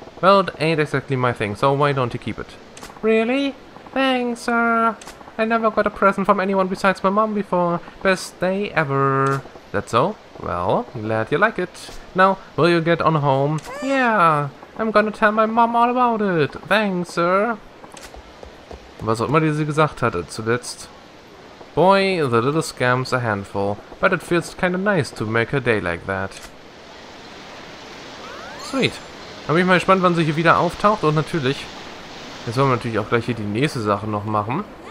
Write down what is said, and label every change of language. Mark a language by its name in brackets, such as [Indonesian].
[English] Well, it ain't exactly my thing, so why don't you keep it? Really? Thanks, sir. I never got a present from anyone besides my mom before. Best day ever. That so? Well, glad you like it. Now, will you get on home? Yeah, I'm gonna tell my mom all about it. Thanks, sir. [German] Was auch immer die sie gesagt hatte zuletzt. [English] Boy, the little scam's a handful. But it feels kinda nice to make a day like that. Sweet. [German] Dann bin ich mal gespannt, wann sie hier wieder auftaucht. Und natürlich, jetzt wollen wir natürlich auch gleich hier die nächste Sache noch machen.